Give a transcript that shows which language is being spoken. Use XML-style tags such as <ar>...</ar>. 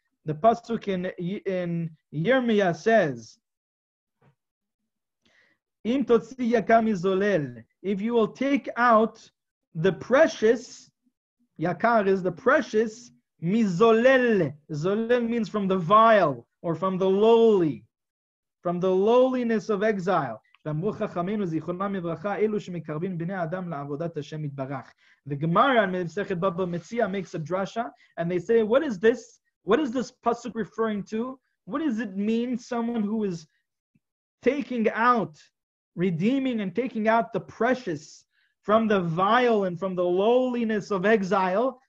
<en>The pasuk in Yirmiyah says, im totzi yakar mizolel. If you will take out the precious, yakar is the precious, mizolel. Zolel means from the vile, or from the lowly, from the lowliness of exile.</en> <he>ואמרו חכמים וזיכרונם מברכה, אלו שמקרבים בני אדם לעבודת השם יתברך.</he> <en>The Gemara in Masechet Baba Metzia makes a drasha, and they say, what is this? What is this pasuk referring to? What does it mean, someone who is taking out, redeeming and taking out the precious from the vile and from the lowliness of exile?</en>